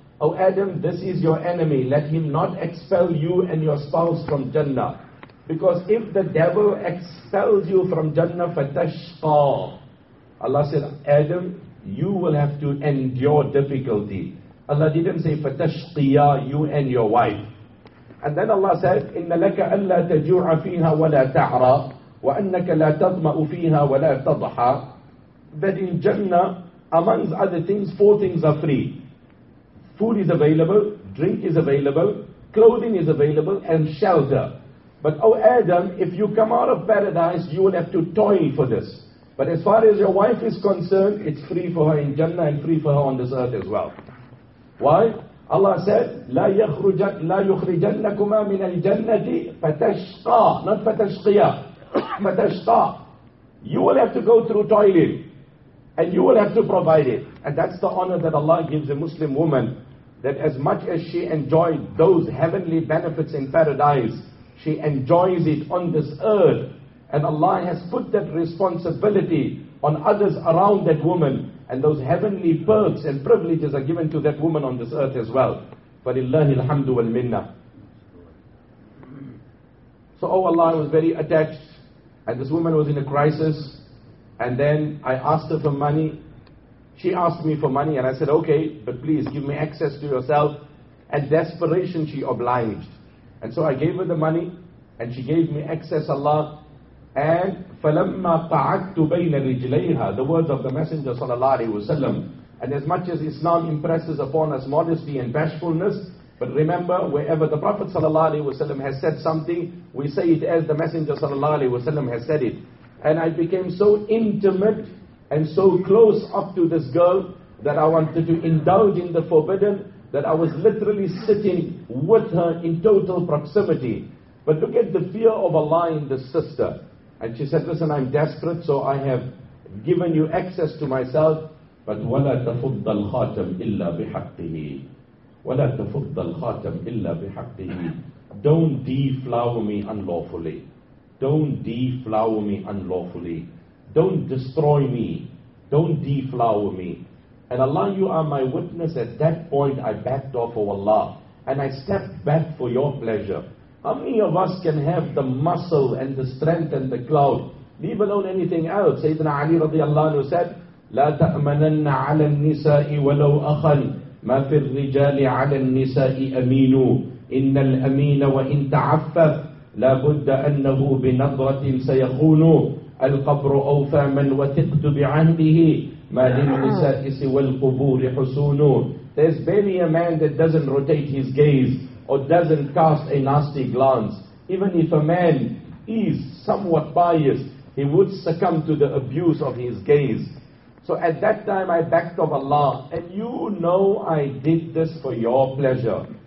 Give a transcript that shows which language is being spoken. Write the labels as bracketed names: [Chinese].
[English] Oh Adam, this is your enemy. Let him not expel you and your spouse from Jannah. Because if the devil expels you from Jannah, فَتَشْقَى. Allah said, Adam, you will have to endure difficulty. Allah didn't say, فَتَشْقِيَا, you and your wife. And then Allah said, [Arabic] إِنَّ لَكَ أَلَّا تَجُوعَ فِيهَا وَلَا تَعْرَى وَأَنَّكَ لَا تَضْمَأُ فِيهَا وَلَا تَضْحَى. [English] That in Jannah, amongst other things, four things are free. Food is available, drink is available, clothing is available, and shelter. But, O Adam, if you come out of paradise, you will have to toil for this. But as far as your wife is concerned, it's free for her in Jannah and free for her on this earth as well. Why? Allah said, [Arabic] لَا يُخْرِجَنَّكُمَا مِنَ الْجَنَّةِ فَتَشْقَى. Not فَتَشْقِيَا. فَتَشْقَى. [English] You will have to go through toiling. And you will have to provide it. And that's the honor that Allah gives a Muslim woman. That as much as she enjoyed those heavenly benefits in paradise, she enjoys it on this earth. And Allah has put that responsibility on others around that woman. And those heavenly perks and privileges are given to that woman on this earth as well. [Arabic] فَلِلَّهِ الْحَمْدُ وَالْمِنَّةِ. [English] So, oh Allah, I was very attached. And this woman was in a crisis. And then I asked her for money. She asked me for money and I said, okay, but please give me access to yourself. And desperation, she obliged. And so I gave her the money and she gave me access, Allah. [Arabic] And فَلَمَّا قَعَدْتُ بَيْنَ رِجْلَيْهَا. [English] The words of the Messenger sallallahu alayhi wasallam. And as much as Islam impresses upon us modesty and bashfulness, but remember, wherever the Prophet sallallahu alayhi wasallam has said something, we say it as the Messenger sallallahu alayhi wasallam has said it. And I became so intimate and so close up to this girl that I wanted to indulge in the forbidden, that I was literally sitting with her in total proximity. But look at the fear of Allah in this sister. And she said, listen, I'm desperate, so I have given you access to myself. [Arabic] But وَلَا تَفُضَّ الْخَاتَمْ إِلَّا بِحَقِّهِ وَلَا تَفُضَّ الْخَاتَمْ إِلَّا بِحَقِّهِ. [English] Don't deflower me unlawfully. Don't deflower me unlawfully. Don't destroy me. Don't deflower me. And Allah, you are my witness. At that point, I backed off, O Allah. And I stepped back for your pleasure. How many of us can have the muscle and the strength and the clout? Leave alone anything else. [Arabic] Sayyidina Ali radiallahu anhu said, لَا تَأْمَنَنَّ عَلَى النِّسَاءِ وَلَوْ أَخَلْ مَا فِي الرِّجَالِ عَلَى النِّسَاءِ أَمِينُ إِنَّ الْأَمِينَ وَإِنْ تَعَفَّفْ لا بد أنه بنظرة سيخون القبر أوفى من وثقت بعهده ما للنساء سوى القبور حسون. [English] There's barely a man that doesn't rotate his gaze or doesn't cast a nasty glance. Even if a man is somewhat biased, he would succumb to the abuse of his gaze. So at that time I backed off Allah, and you know I did this for your pleasure.